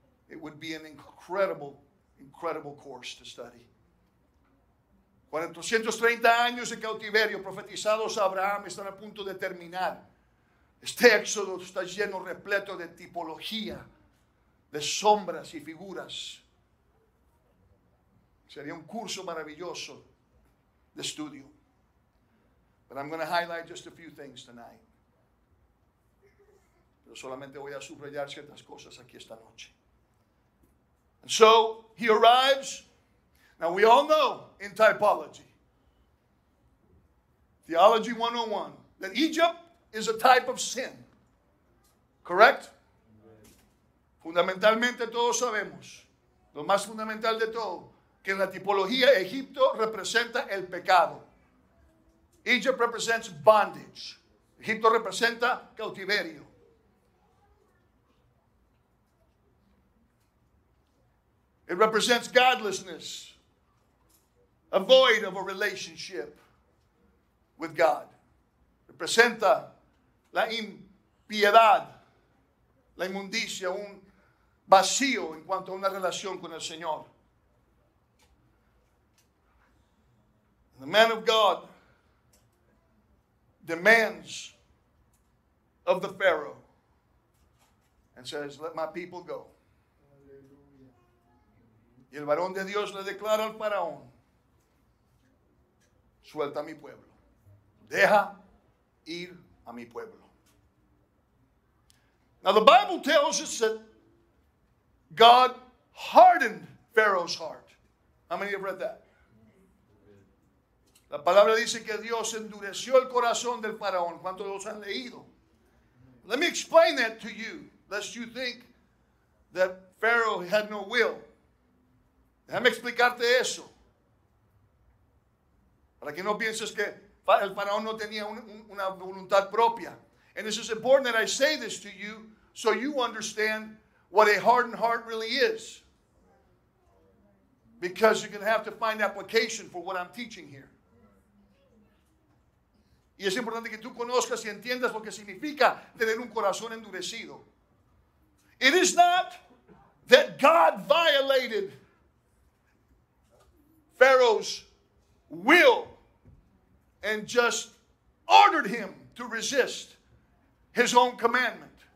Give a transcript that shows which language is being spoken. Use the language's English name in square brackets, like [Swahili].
[English] It would be an incredible, incredible course to study. [Spanish] 430 años de cautiverio profetizados a Abraham están a punto de terminar. Este éxodo está lleno, repleto de tipología, de sombras y figuras. Sería un curso maravilloso de estudio. [English] But I'm going to highlight just a few things tonight. [Spanish] Pero solamente voy a subrayar ciertas cosas aquí esta noche. [English] And so, he arrives. Now, we all know in typology, theology 101, that Egypt is a type of sin. Correct? [Spanish] Fundamentalmente todos sabemos, lo más fundamental de todo, que en la tipología Egipto representa el pecado. [English] Egypt represents bondage. [Spanish] Egipto representa cautiverio. [English] It represents godlessness, a void of a relationship with God. [Spanish] Representa la impiedad, la inmundicia, un vacío en cuanto a una relación con el Señor. [English] And the man of God demands of the Pharaoh and says, let my people go. [Spanish] Y el varón de Dios le declara al faraón, suelta a mi pueblo. Deja ir a mi pueblo. [English] Now the Bible tells us that God hardened Pharaoh's heart. How many have read that? [Spanish] La palabra dice que Dios endureció el corazón del faraón. ¿Cuántos los han leído? [English] Let me explain that to you, lest you think that Pharaoh had no will. [Spanish] Déjame explicarte eso. Para que no pienses que el faraón no tenía una voluntad propia. [English] And this is important that I say this to you, so you understand what a hardened heart really is. Because you're going to have to find application for what I'm teaching here. [Spanish] Y es importante que tú conozcas y entiendas lo que significa tener un corazón endurecido. [English] It is not that God violated Pharaoh's will and just ordered him to resist his own commandment.